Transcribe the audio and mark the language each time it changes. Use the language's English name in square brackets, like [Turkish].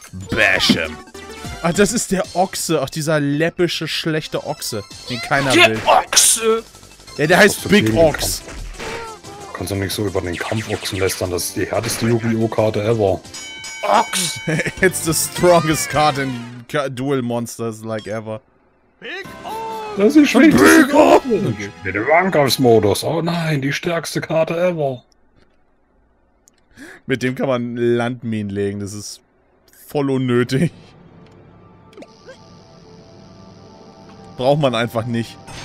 [English] Bash him. [German] Ach, das ist der Ochse. Ach, dieser läppische, schlechte Ochse, den keiner der will. Der Ochse! Ja, der heißt Big Ox. Kannst du nicht so über den Kampfochsen lästern, das ist die härteste Yu-Gi-Oh!-Karte ever. Ox! [English] It's the strongest card in Duel Monsters, like ever. [German] Big Ox! Das ist die schwächste Karte! Der Angriffsmodus, oh nein, die stärkste Karte ever. Mit dem kann man Landminen legen, das ist voll unnötig. Braucht man einfach nicht.